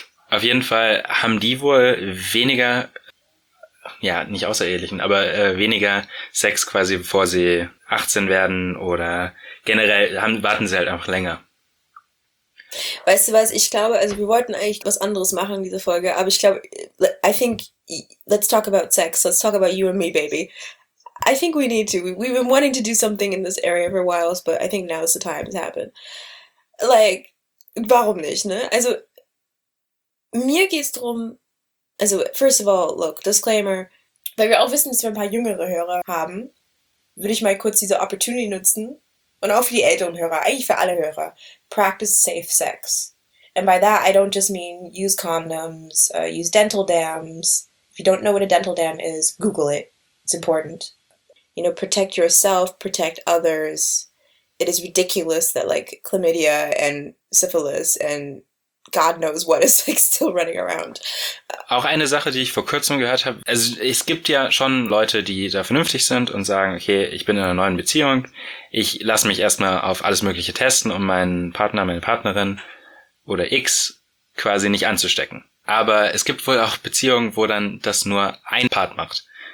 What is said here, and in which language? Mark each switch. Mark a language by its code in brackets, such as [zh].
[de] Auf jeden Fall haben die wohl weniger, ja, nicht außerehelichen, aber weniger Sex quasi, bevor sie 18 werden, oder generell warten sie halt einfach länger. Weißt du was, ich glaube, also wir wollten eigentlich was anderes machen in dieser Folge, aber ich glaube, [en] I think, let's talk about sex, let's talk about you and me, baby. I think we need to. We've been wanting to do something in this area for a while, but I think now is the time to happen. [de] Like, warum nicht, ne? Also, mir geht's drum, also, [en] first of all, look, disclaimer, [de] weil wir auch wissen, dass wir ein paar jüngere Hörer haben, würde ich mal kurz diese Opportunity nutzen. Und auch für die älteren Hörer, eigentlich für alle Hörer. [en] Practice safe sex. And by that, I don't just mean use condoms, use dental dams. If you don't know what a dental dam is, Google it. It's important. You know, protect yourself, protect others. It is ridiculous that like chlamydia and syphilis and God knows what is like still running around. [de] Auch eine Sache, die ich vor kurzem gehört habe, also es gibt ja schon Leute, die da vernünftig sind und sagen, okay, ich bin in einer neuen Beziehung, ich lasse mich erstmal auf alles Mögliche testen, um meinen Partner, meine Partnerin oder X quasi nicht anzustecken. Aber es gibt wohl auch Beziehungen, wo dann das nur ein Part macht.